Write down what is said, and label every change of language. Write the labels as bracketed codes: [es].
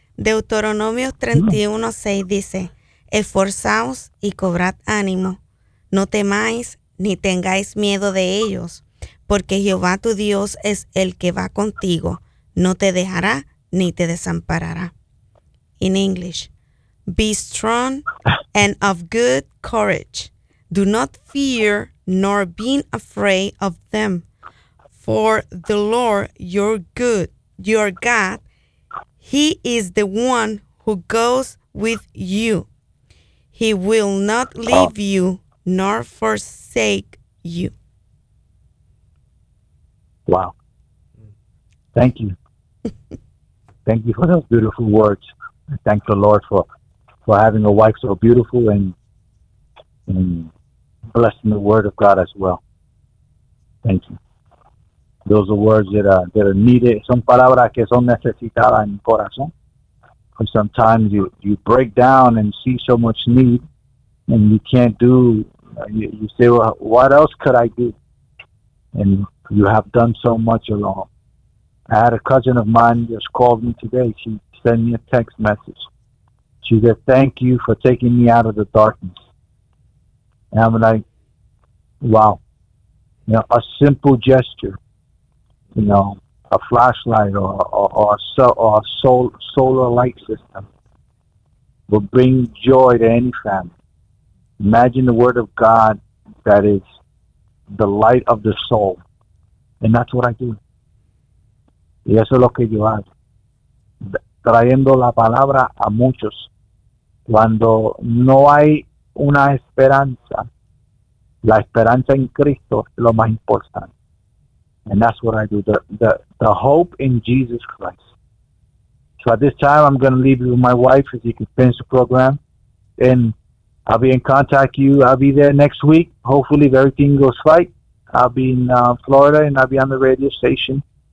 [es] Deuteronomio 31:6 dice, esforzaos y cobrad ánimo, no temáis ni tengáis miedo de ellos, porque Jehová tu Dios es el que va contigo, no te dejará ni te desamparará. [en] In English, be strong and of good courage. Do not fear nor be afraid of them, for the Lord your God, He is the one who goes with you. He will not leave you nor forsake you. Wow. Thank you. Thank you for those beautiful words. I thank the Lord for having a wife so beautiful and blessing the word of God as well. Thank you. Those are words that are needed. [es] Son palabras que son necesitadas en el corazón. [en] And sometimes you break down and see so much need, and you can't do. You say, well, what else could I do? And you have done so much alone. I had a cousin of mine just called me today. She sent me a text message. She said, thank you for taking me out of the darkness. And I'm like, wow. You know, a simple gesture. You know, a flashlight or a solar light system will bring joy to any family. Imagine the word of God that is the light of the soul. And that's what I do. [es] Y eso es lo que yo hago. Trayendo la palabra a muchos. Cuando no hay una esperanza, la esperanza en Cristo es lo más importante. [en] And that's what I do, the hope in Jesus Christ. So at this time, I'm going to leave you with my wife, if you can finish the program. And I'll be in contact with you. I'll be there next week. Hopefully, if everything goes right, I'll be in Florida, and I'll be on the radio station.